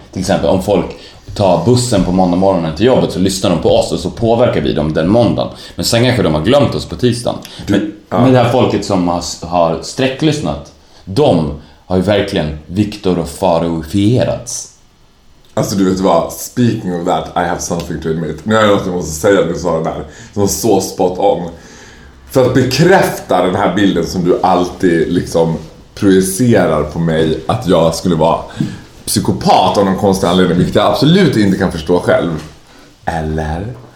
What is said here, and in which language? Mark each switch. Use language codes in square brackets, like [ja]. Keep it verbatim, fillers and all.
[sv] Till exempel om folk tar bussen på måndag morgonen till jobbet, så lyssnar de på oss och så påverkar vi dem den måndagen. Men sen kanske de har glömt oss på tisdagen. Men ja. Med det här folket som har, har sträcklyssnat, de har ju verkligen Victor och Farofierats. Alltså du vet vad, [en] speaking of that, I have something to admit. [sv] Nu har jag något jag måste säga när du sa det där, som är så spot on. För att bekräfta den här bilden som du alltid liksom projicerar på mig, att jag skulle vara psykopat av någon konstig anledning, vilket jag absolut inte kan förstå själv. Eller?